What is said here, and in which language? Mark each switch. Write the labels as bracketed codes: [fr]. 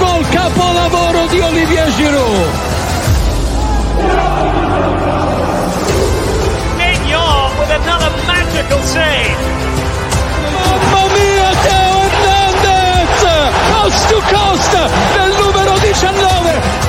[it] Capolavoro di Olivier Giroud. [en] Meignan with another magical save. [it] Mamma mia, Theo Hernandez! Coast to coast, nel numero 19.